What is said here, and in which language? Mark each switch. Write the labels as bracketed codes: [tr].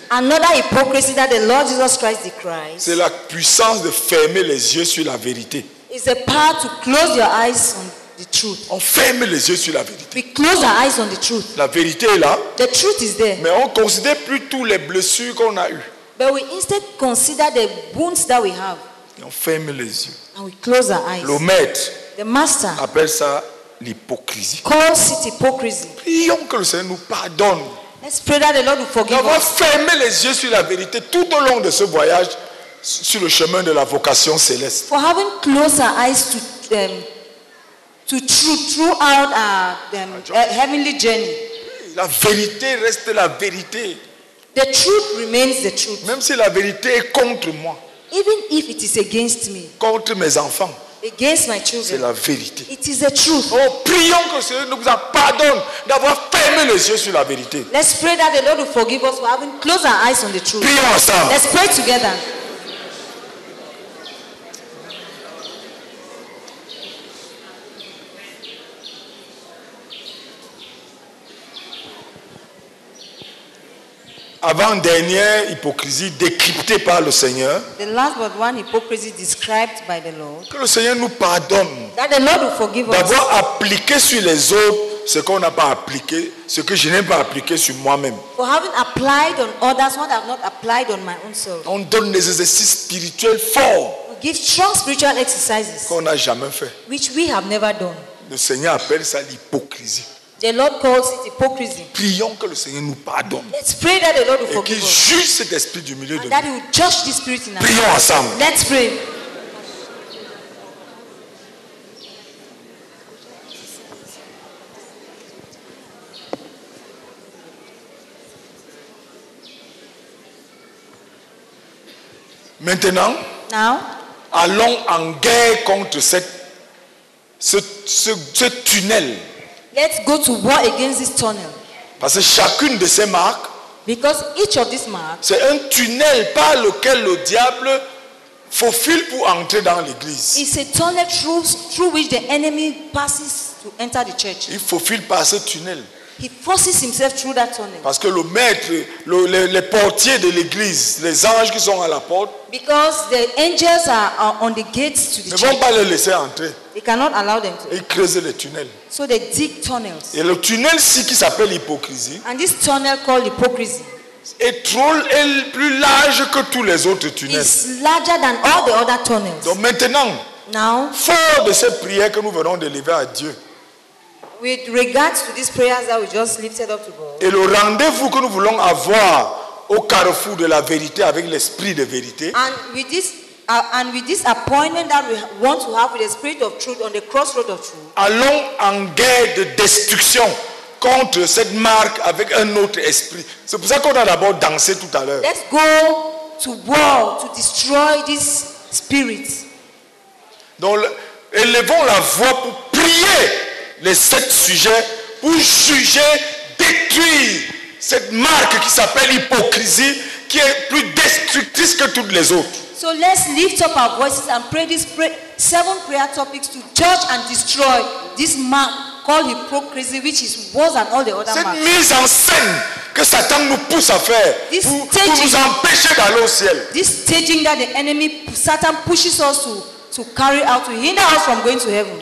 [en] Another hypocrisy that the Lord Jesus Christ decries. [fr] C'est la puissance de fermer les yeux sur la vérité. [en] It's the power to close your eyes on the truth. [fr] On ferme les yeux sur la vérité. [en] We close our eyes on the truth. [fr] La vérité est là. [en] The truth is there. [fr] Mais on considère plus tous les blessures qu'on a eues. [en] But we instead consider the wounds that we have. [fr] Et on ferme les yeux. [en] And we close our eyes. [fr] Le maître. [en] The master. [fr] Appelle ça l'hypocrisie. [en] Calls it hypocrisy. [fr] Prions que le Seigneur nous pardonne. [en] Let's pray that the Lord will forgive [fr] us. On va fermer les yeux sur la vérité tout au long de ce voyage sur le chemin de la vocation céleste. [en] For having closed our eyes to throughout our heavenly journey. [fr] La vérité reste la vérité. [en] The truth remains the truth. [fr] Même si la vérité est contre moi. [en] Even if it is against me. [fr] Contre mes enfants. [en] Against my children. [fr] C'est la vérité. [en] It is the truth. [fr] Oh, prions que le Seigneur nous pardonne d'avoir fermé les yeux sur la vérité. [en] Let's pray that the Lord will forgive us for having closed our eyes on the truth. [fr] Prions ensemble. [en] Let's pray together. [fr] Avant dernière hypocrisie décryptée par le Seigneur. [en] The last but one hypocrisy described by the Lord. [fr] Que le Seigneur nous pardonne. [en] That the Lord will forgive us. [fr] D'avoir appliqué sur les autres ce qu'on n'a pas appliqué, ce que je n'ai pas appliqué sur moi-même. [en] For having applied on others what I have not applied on my own self. [fr] On donne des exercices spirituels forts. [en] We give strong spiritual exercises. [fr] Qu'on n'a jamais fait. [en] Which we have never done. [fr] Le Seigneur appelle ça l'hypocrisie. [en] The Lord calls it hypocrisy. [fr] Prions que le Seigneur nous pardonne. [en] Let's pray that the Lord will forgive us. [fr] Et qu'il juge cet esprit du milieu de nous. [en] That He will judge this spirit in us. [fr] Prions ensemble. [en] Let's pray. [fr] Maintenant. [en] Now. [fr] Allons en guerre contre ce tunnel. [en] Let's go to war against this tunnel. [fr] Parce que chacune de ces marques, [en] because each of these marks, [fr] c'est un tunnel par lequel le diable faufile pour entrer dans l'église. [en] It's a tunnel through which the enemy passes to enter the church. [fr] Il faufile par ce tunnel. [en] He forces himself through that tunnel. [fr] Parce que le maître, les portiers de l'église, les anges qui sont à la porte, [en] because the angels are on the gates to the [fr] church. Ne vont pas les laisser entrer. [en] They cannot allow them to. [fr] Ils creusent les tunnels. [en] So they dig tunnels. [fr] Et le tunnel-ci qui s'appelle l'hypocrisie. [en] And this tunnel called hypocrisy. [fr] Est plus large que tous les autres tunnels. [en] It's larger than all the other tunnels. [fr] Donc maintenant. [en] Now. [fr] Fort de cette prière que nous venons de livrer à Dieu. [en] With regards to these prayers that we just lifted up to God. [fr] Et le rendez-vous que nous voulons avoir au carrefour de la vérité avec l'esprit de vérité. [en] And with this. And with this appointment that we want to have with the spirit of truth on the crossroad of truth. [fr] Allons en guerre de destruction contre cette marque avec un autre esprit. C'est pour ça qu'on a d'abord dansé tout à l'heure. [en] Let's go to war to destroy this spirit. [fr] Donc, élevons la voix pour prier les sept sujets pour juger, détruire cette marque qui s'appelle hypocrisie qui est plus destructrice que toutes les autres. [en] So let's lift up our voices and pray these seven prayer topics to judge and destroy this man called hypocrisy, which is worse than all the other marks. [fr] Cette mise en scène que Satan nous pousse à faire pour nous empêcher d'aller au ciel. [en] This staging that the enemy, Satan pushes us to carry out, to hinder us from going to heaven.